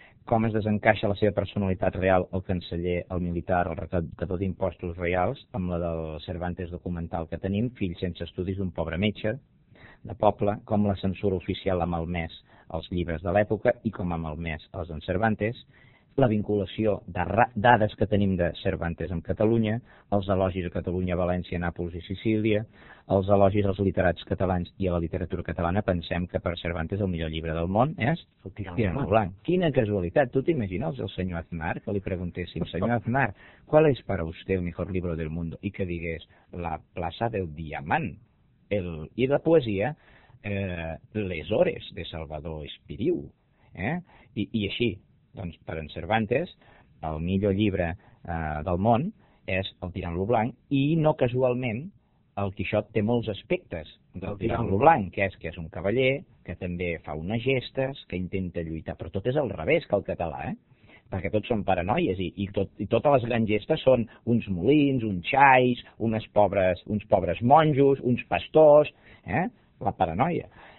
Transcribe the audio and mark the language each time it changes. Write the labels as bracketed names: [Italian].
[Catalan] com es desencaixa la seva personalitat real, el canceller, el militar, el recaptador d'impostos reals, amb la del Cervantes documental que tenim, fill sense estudis d'un pobre metge de poble, com la censura oficial ha malmès els llibres de l'època i com ha malmès els d'en Cervantes, la vinculació de dades que tenim de Cervantes amb Catalunya, els elogis a Catalunya, València, Nàpols i Sicília, els elogis als literats catalans i a la literatura catalana. Pensem que per Cervantes el millor llibre del món és El Tirant el Blanc. Quina casualitat! Tu t'imagines el senyor Aznar que li preguntéssim, senyor Aznar, [Spanish] ¿cuál es para usted el mejor libro del mundo? [Catalan] I que digués La plaça del diamant, el... i la poesia Les hores de Salvador Espriu, i així. Doncs per en Cervantes, el millor llibre del món és El Tirant-lo Blanc, i no casualment el Quixot té molts aspectes del Tirant-lo Blanc, que és un cavaller, que també fa unes gestes, que intenta lluitar, però tot és al revés que el català, perquè tots són paranoies i totes les grans gestes són uns molins, uns xais, uns pobres monjos, uns pastors, la paranoia.